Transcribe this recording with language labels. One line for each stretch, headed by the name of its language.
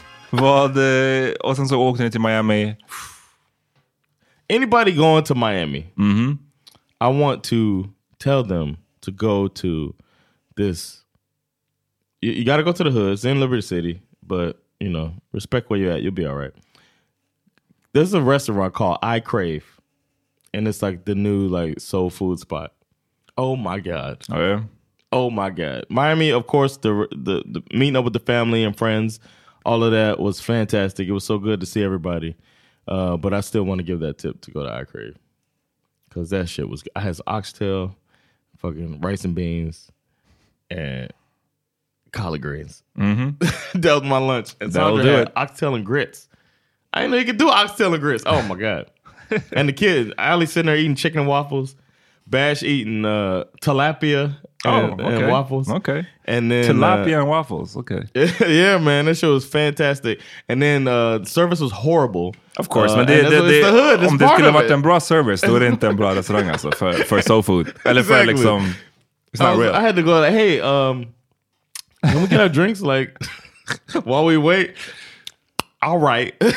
Swedish: Vad, och sen så åkte ni till Miami.
English: Anybody going to Miami, mm-hmm. I want to tell them to go to this. You gotta go to the hood. It's in Liberty City, but you know, respect where you're at, you'll be all right. There's a restaurant called I Crave, and it's like the new like soul food spot. Oh my god. Oh yeah. Oh my god. Miami, of course, the meeting up with the family and friends, all of that was fantastic. It was so good to see everybody. But I still want to give that tip to go to I Crave. Cause that shit was good. I had oxtail, fucking rice and beans, and collard greens. Mm-hmm. That was my lunch. And so I'll do it. Oxtail and grits. I didn't know you could do oxtail and grits. Oh my god. And the kid, Ali sitting there eating chicken and waffles. Bash eating tilapia and waffles. Okay. And then tilapia and waffles. Okay. Yeah, man. That shit was fantastic. And then service was horrible. Of course, man. It's the hood. It's
Swedish: om det skulle ha varit en bra service, då är det inte en bra restaurang alltså för soul food. Eller
English: exactly.
Swedish: För liksom,
English: it's not real. I had to go like, hey, can we get our drinks like while we wait? All right.